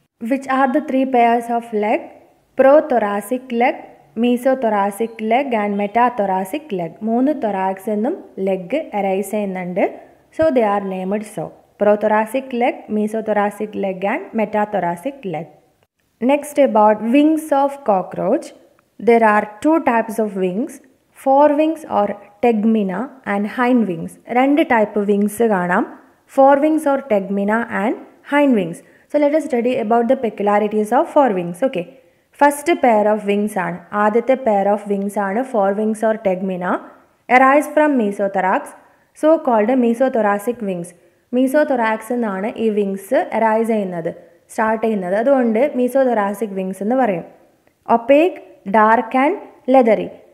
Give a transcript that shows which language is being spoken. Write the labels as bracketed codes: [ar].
[en] Which are the 3 pairs of leg? Prothoracic leg, mesothoracic leg and metathoracic leg. [ml] മൂന്ന് thorax എന്നും leg arise ചെയ്യുന്നുണ്ട്. [en] So they are named so. Prothoracic leg, mesothoracic leg and metathoracic leg. Next about wings of cockroach. There are two types of wings, forewings or tegmina and hindwings. [ml] രണ്ട് type wings കാണാം, [en] forewings or tegmina and hindwings. So let us study about the peculiarities of forewings. Okay, first pair of wings ആണ്, [ml] ആദ്യത്തെ pair of wings ആണ് [en] forewings or tegmina. Arise from mesothorax, so called mesothoracic wings. [ml] Mesothorax എന്നാണ് ഈ wings arise ചെയ്യുന്നത്, start ചെയ്യുന്നത്. അതുകൊണ്ട് mesothoracic wings എന്ന് പറയും. [en] Opaque, dark and leathery.